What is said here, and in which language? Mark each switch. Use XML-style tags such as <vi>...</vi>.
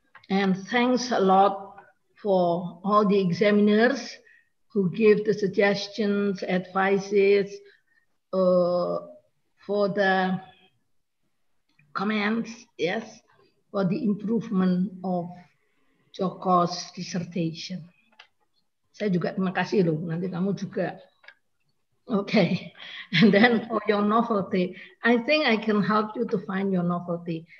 <en>And thanks a lot for all the examiners who give the suggestions, advices, for the comments, yes, for the improvement of Joko's dissertation.</en> <id>Saya juga terima kasih loh, nanti kamu juga.</id> <en>Okay, and then for your novelty, I think I can help you to find your novelty.</en>